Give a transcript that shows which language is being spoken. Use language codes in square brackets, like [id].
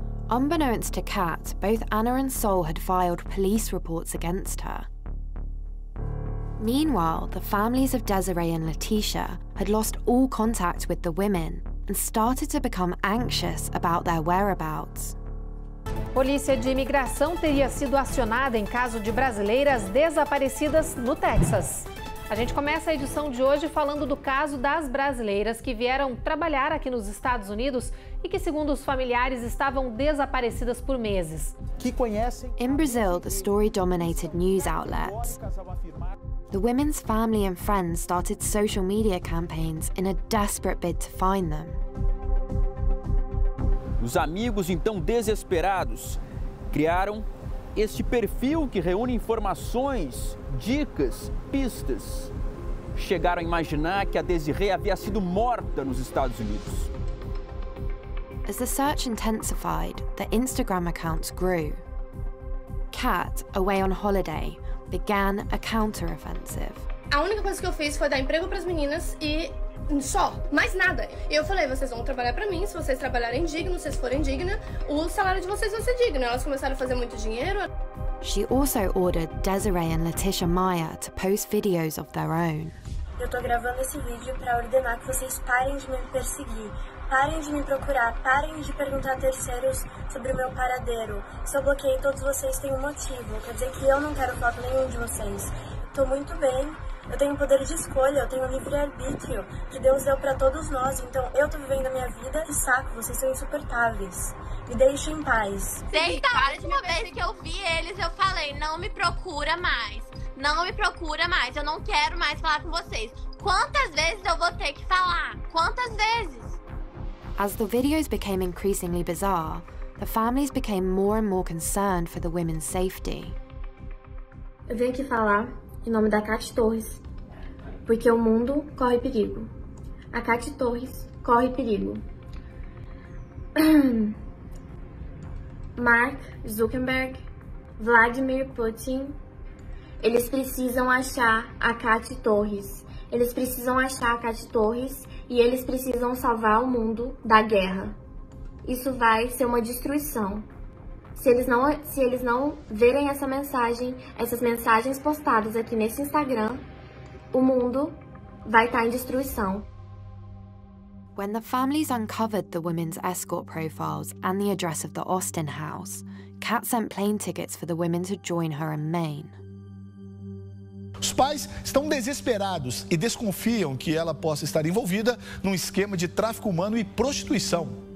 [en] Unbeknownst to Kat, both Anna and Sol had filed police reports against her. Meanwhile, the families of Desiree and Leticia had lost all contact with the women and started to become anxious about their whereabouts. [pt] Polícia de Imigração teria sido acionada em caso de brasileiras desaparecidas no Texas. A gente começa a edição de hoje falando do caso das brasileiras que vieram trabalhar aqui nos Estados Unidos e que, segundo os familiares, estavam desaparecidas por meses. Que conhecem... [en] In Brazil, the story dominated news outlets. The women's family and friends started social media campaigns in a desperate bid to find them. [pt] Os amigos, então desesperados, criaram este perfil que reúne informações, dicas, pistas. Chegaram a imaginar que a Desiree havia sido morta nos Estados Unidos. [en] As the search intensified, the Instagram accounts grew. Kat, away on holiday, began a counter-offensive. [pt] A única coisa que eu fiz foi dar emprego para as meninas e só, mais nada. Eu falei, vocês vão trabalhar para mim, se vocês trabalharem digno, se vocês forem digna, o salário de vocês vai ser digno. Elas começaram a fazer muito dinheiro. [en] She also ordered Desiree and Leticia Maia to post videos of their own. [pt] Eu tô gravando esse vídeo para ordenar que vocês parem de me perseguir, parem de me procurar, parem de perguntar a terceiros sobre o meu paradeiro. Se eu bloqueei todos vocês, tem um motivo. Quer dizer que eu não quero falar com nenhum de vocês. Tô muito bem. Eu tenho poder de escolha, eu tenho livre-arbítrio que Deus deu para todos nós. Então, eu tô vivendo a minha vida e saco, vocês são insuportáveis. Me deixem em paz. Então, a última vez que eu vi eles, eu falei, não me procura mais. Não me procura mais, eu não quero mais falar com vocês. Quantas vezes eu vou ter que falar? Quantas vezes? [en] As the videos became increasingly bizarre, the families became more and more concerned for the women's safety. [pt] Eu venho aqui falar em nome da Kat Torres, porque o mundo corre perigo. A Kat Torres corre perigo. Mark Zuckerberg, Vladimir Putin, eles precisam achar a Kat Torres. Eles precisam achar a Kat Torres e eles precisam salvar o mundo da guerra. Isso vai ser uma destruição. Se eles não verem essa mensagem, essas mensagens postadas aqui nesse Instagram, o mundo vai estar em destruição. [en] When the families uncovered the women's escort profiles and the address of the Austin house, Kat sent plane tickets for the women to join her in Maine. [pt] Os pais estão desesperados e desconfiam que ela possa estar envolvida num esquema de tráfico humano e prostituição.